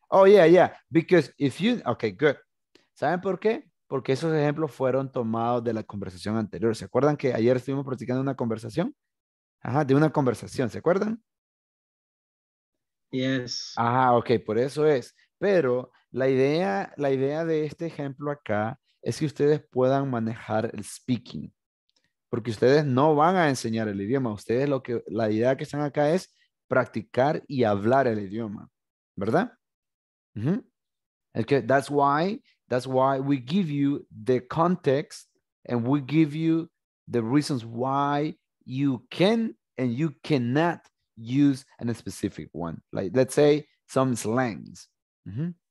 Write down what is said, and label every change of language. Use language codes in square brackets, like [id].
[en] oh yeah, yeah, because if you okay, good. [es] ¿Saben por qué? Porque esos ejemplos fueron tomados de la conversación anterior. ¿Se acuerdan que ayer estuvimos practicando una conversación? Ajá, de una conversación, ¿se acuerdan? [en] Yes. [es] Ajá, okay, por eso es. Pero la idea de este ejemplo acá es que ustedes puedan manejar el speaking. Porque ustedes no van a enseñar el idioma. Ustedes lo que, la idea que están acá es practicar y hablar el idioma. ¿Verdad? Mm-hmm. [en] Okay, that's why we give you the context and we give you the reasons why you can and you cannot use a specific one. Like, let's say some slangs. Mm-hmm.